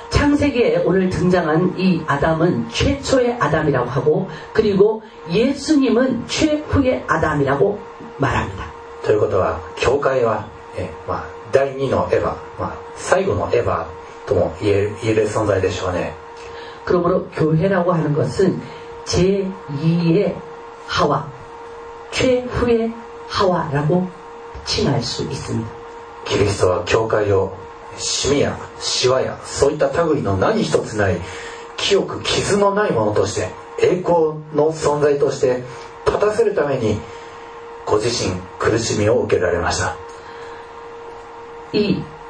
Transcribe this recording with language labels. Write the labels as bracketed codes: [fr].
[ko] 창세기에오늘등장한이아담은최초의아담이라고하고그리고예수님은최후의아담이라고말합니다 [ja] ということは教会は、예まあ第2のエヴァ、まあ、最後のエヴァとも言える存在でしょうね。 [ko] 그러므로교회라고하는것은제2의하와최후의하와라고칭할수있습니다 [ja] キリストは教会をシミやシワやそういった類の何一つない清く傷のないものとして栄光の存在として立たせるためにご自身苦しみを受けられました。